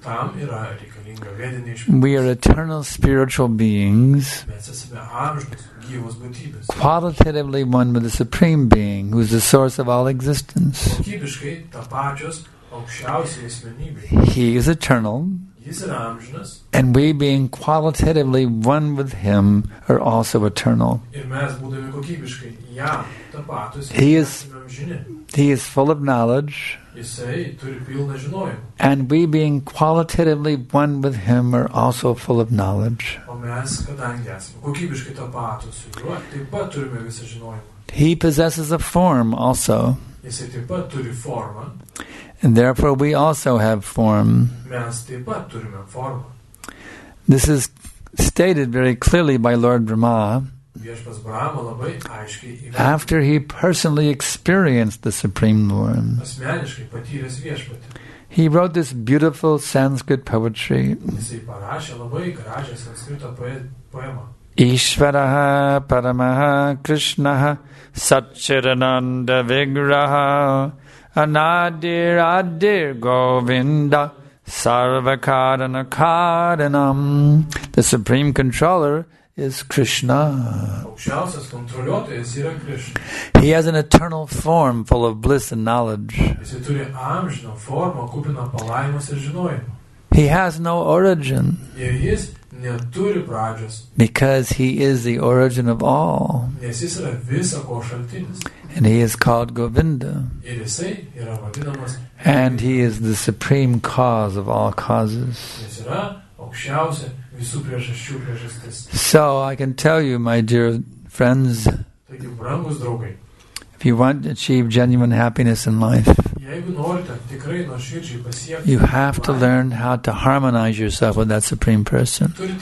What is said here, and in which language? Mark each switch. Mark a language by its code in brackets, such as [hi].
[lt] Tam yra reikalinga vedinė išmintis. [en] We are eternal spiritual beings, [lt] mes esame amžinos gyvos būtybės. [en] Qualitatively one with the Supreme Being, who is the source of all existence. [lt] Kokybiškai tapačios aukščiausiai asmenybei. [en] He is eternal. [lt] Jis yra amžinas. [en] And we being qualitatively one with Him are also eternal. [lt] Ir mes būdami kokybiškai jam tapatus. [en] He is full of knowledge. [lt] Jisai turi pilną žinojimą. [en] And we being qualitatively one with Him are also full of knowledge. [lt] O mes, kadangi esame kokybiškai tapatus su Juo, taip pat turime visą žinojimą. [en] He possesses a form also. [lt] Jisai taip pat turi formą. [en] And therefore we also have form. [lt] Mes taip pat turime formą. [en] This is stated very clearly by Lord Brahma. [lt] Viešpas Brahma labai aiškiai įvardino. [en] After he personally experienced the Supreme Lord. [lt] Asmeniškai patyręs viešpatį. [en] He wrote this beautiful Sanskrit poetry. [lt] Jisai parašė labai gražią sanskrito poemą. [sa] Ishvaraha paramaha krishnaha satchirananda vigraha anadir adir govinda sarvakarana karanam. [en] The supreme controller is Krishna. [lt] Aukščiausias kontroliuotojas yra Krishna. [en] He has an eternal form full of bliss and knowledge. [lt] Jis turi amžiną formą kupiną palaimos ir žinojimo. [en] He has no origin. [lt] Ir jis neturi pradžios. [en] Because he is the origin of all. [lt] Nes jis yra visa ko šaltinis. [en] And he is called Govinda. [lt] Ir jisai yra vadinamas. [en] And he is the supreme cause of all causes. [lt] Jis yra aukščiausia visų priežasčių priežastis. [en] So I can tell you, my dear friends. [lt] Taigi, brangus draugai. [en] If you want to achieve genuine happiness in life, you have to learn how to harmonize yourself with that Supreme Person.